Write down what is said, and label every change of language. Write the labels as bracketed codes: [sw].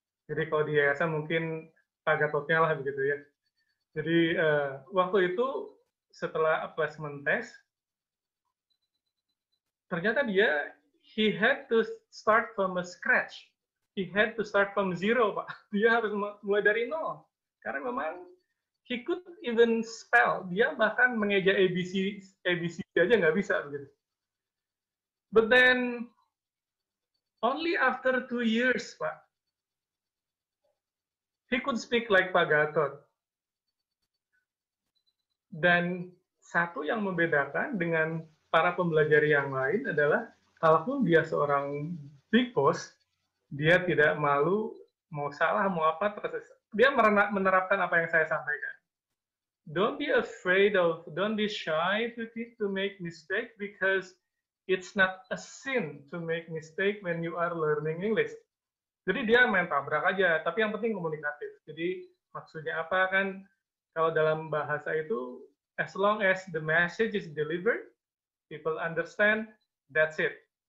[id] Jadi kalau di yayasan mungkin Pak Gatotnya lah begitu ya. Jadi waktu itu setelah placement test, ternyata dia, [en] he had to start from a scratch. He had to start from zero, Pak. [id] Dia harus mulai dari nol. Karena memang [en] he couldn't even spell. [id] Dia bahkan mengeja ABC aja nggak bisa. Begitu. [en] But then, only after 2 years, Pak, he could speak like Pak Gatot. [id] Dan satu yang membedakan dengan para pembelajar yang lain adalah, kalaupun dia seorang big boss, dia tidak malu, mau salah, mau apa, terus dia menerapkan apa yang saya sampaikan. [en] Don't be afraid of, don't be shy to make mistake, because it's not a sin to make mistake when you are learning English. [id] Jadi dia main tabrak aja, tapi yang penting komunikatif. Jadi maksudnya apa kan, kalau dalam bahasa itu, [en] as long as the message is delivered, people understand, that's it.